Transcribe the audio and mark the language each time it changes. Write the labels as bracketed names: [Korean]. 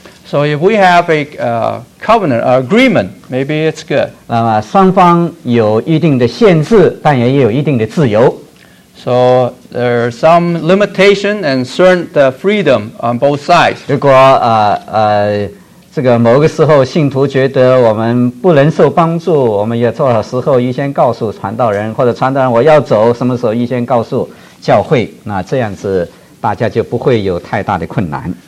[English] So if we have a covenant, agreement, maybe it's good. [Chinese] 那么双方有一定的限制，但也有一定的自由。 [English] So there are some limitation and certain freedom on both sides. [Chinese] 如果这个某个时候信徒觉得我们不能受帮助，我们也做好时候预先告诉传道人，或者传道人我要走，什么时候预先告诉教会，那这样子大家就不会有太大的困难。